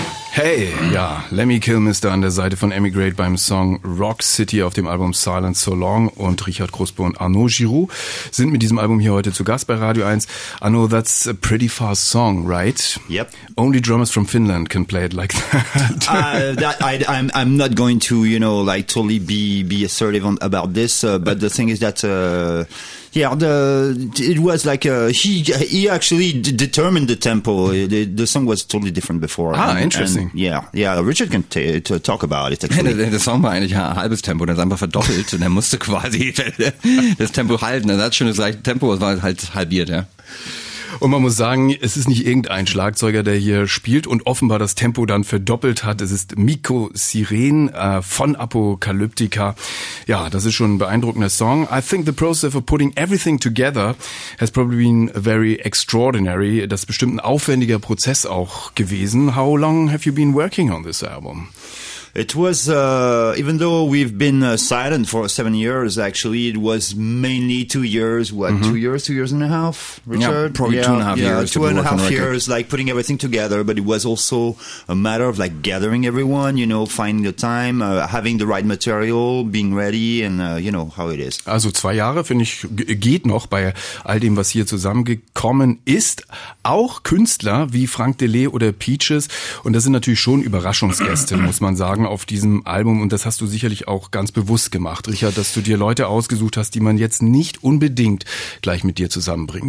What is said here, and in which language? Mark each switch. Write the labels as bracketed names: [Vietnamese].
[German] Hey, ja, Lemmy Kilmister an der Seite von Emigrate beim Song Rock City auf dem Album Silence So Long und Richard Crosby und Arnaud Giroux sind mit diesem Album hier heute zu Gast bei Radio 1. [English] Arnaud, that's a pretty fast song, right? Yep. Only drummers from Finland can play it like that. I'm not going to, you know, like totally be assertive about this, but the thing is that... it was like he actually determined the tempo. The song was totally different before. Ah, interesting. Yeah. Richard can talk about it. [German] Der Song war eigentlich ein halbes Tempo, der ist einfach verdoppelt und er musste quasi das Tempo halten. Das hat schon das gleiche Tempo, es war halt halbiert, ja. Und man muss sagen, es ist nicht irgendein Schlagzeuger, der hier spielt und offenbar das Tempo dann verdoppelt hat. Es ist Mikko Siren von Apocalyptica. Ja, das ist schon ein beeindruckender Song. [English] I think the process of putting everything together has probably been very extraordinary. [German] Das ist bestimmt ein aufwendiger Prozess auch gewesen. [English] How long have you been working on this album? It was, even though we've been silent for 7 years, actually, it was mainly 2 years, two years and a half, Richard? Yeah, probably two and a half years, like putting everything together, but it was also a matter of like gathering everyone, you know, finding the time, having the right material, being ready and, you know, how it is. [German] Also 2 Jahre, finde ich, geht noch bei all dem, was hier zusammengekommen ist. Auch Künstler wie Frank DeLay oder Peaches, und das sind natürlich schon Überraschungsgäste, muss man sagen. Fragen auf diesem Album, und das hast du sicherlich auch ganz bewusst gemacht, Richard, dass du dir Leute ausgesucht hast, die man jetzt nicht unbedingt gleich mit dir zusammenbringen